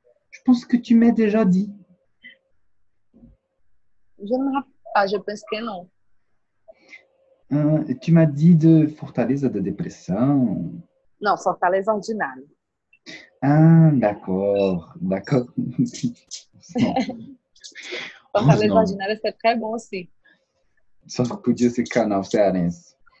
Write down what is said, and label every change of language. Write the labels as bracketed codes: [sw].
[fr] Je pense que tu m'as déjà dit. Je ne me rappelle pas, je pense que non. Tu m'as dit de Fortaleza da Depressão. [pt] Não, Fortaleza de nada. [fr] Ah, d'accord, d'accord. Fortaleza de nada, c'est très bon aussi. [pt] Só podia ser canal cearense.